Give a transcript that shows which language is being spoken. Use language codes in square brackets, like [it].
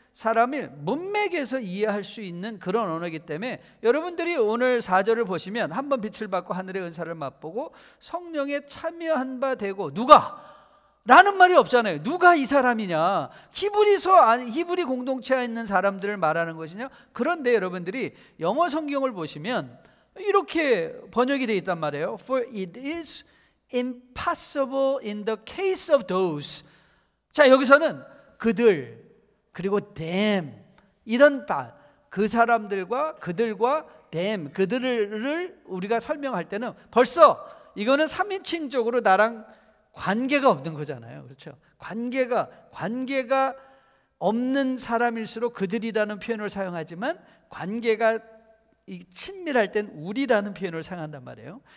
[ko] 사람이 문맥에서 이해할 수 있는 그런 언어이기 때문에 여러분들이 오늘 4절을 보시면 한번 빛을 받고 하늘의 은사를 맛보고 성령에 참여한 바 되고 누가? 라는 말이 없잖아요. 누가 이 사람이냐? 히브리서 아니 히브리 공동체에 있는 사람들을 말하는 것이냐? 그런데 여러분들이 영어 성경을 보시면 이렇게 번역이 되어 있단 말이에요. [en] For it is impossible in the case of those. [ko] 자, 여기서는 그들 그리고 them 이런 말 그 사람들과 그들과 them 그들을 우리가 설명할 때는 벌써 이거는 3인칭적으로 나랑 관계가 없는 거잖아요. 그렇죠? 관계가 없는 사람일수록 그들이라는 표현을 사용하지만 관계가 친밀할 땐 우리라는 표현을 사용한단 말이에요.